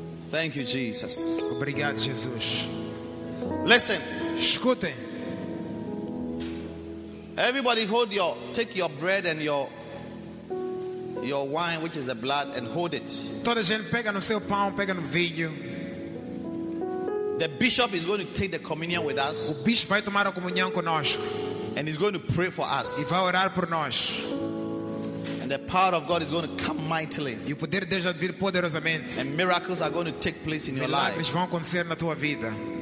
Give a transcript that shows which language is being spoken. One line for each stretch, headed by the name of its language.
English: Thank you, Jesus.
Portuguese: Obrigado, Jesus.
English: Listen.
Portuguese: Escutem.
English: Everybody hold your, take your bread and your wine, which is the blood, and hold it.
Portuguese: Toda gente pega no seu pão, pega no vinho.
English: The bishop is going to take the communion with us.
Portuguese: O bispo vai tomar a comunhão conosco.
English: And he's going to pray for us.
Portuguese: E vai orar por nós.
English: And the power of God is going to come mightily.
Portuguese: E o poder de Deus vai vir poderosamente.
English: And miracles are going to take place in
Portuguese: milagres
English: your life.
Portuguese: Milagres vão acontecer na tua vida.